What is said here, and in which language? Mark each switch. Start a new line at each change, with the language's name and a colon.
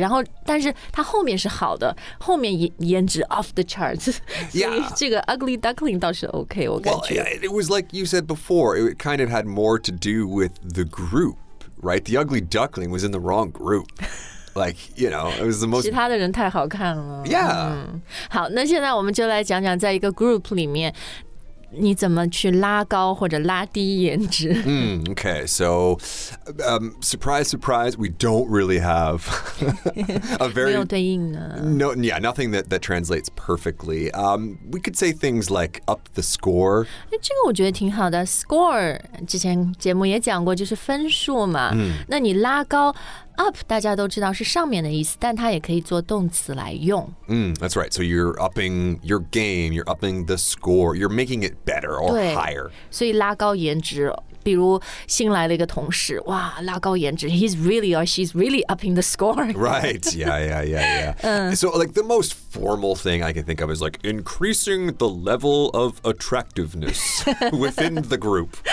Chinese: 然后但是她后面是好的后面颜值
English: off the charts、 yeah.
Chinese: 所以这个 ugly duckling 倒是 OK 我感觉
English: well, it was like you said before it kind of had more to do with the group right the ugly duckling was in the wrong group like you know it was the most
Chinese: 其他的人太好看了
English: yeah、
Chinese: 好那现在我们就来讲讲在一个 group 里面你怎么去拉高或者拉低颜值？
English: Okay, so, surprise, surprise, we don't really have a very...
Chinese: 没有对应的。
English: No, yeah, nothing that translates perfectly. We could say things like up the score.
Chinese: 这个我觉得挺好的。Score, 之前节目也讲过，就是分数嘛。那你拉高 up, 大家都知道是上面的意思，但它也可以做动词来用。
English: That's right, so you're upping your game, you're upping the score, you're making it better or higher.
Chinese: 所以拉高颜值比如新来了一个同事哇拉高颜值
English: he's really or she's really upping the score. Right, yeah. So like the most formal thing I can think of is like increasing the level of attractiveness within the group.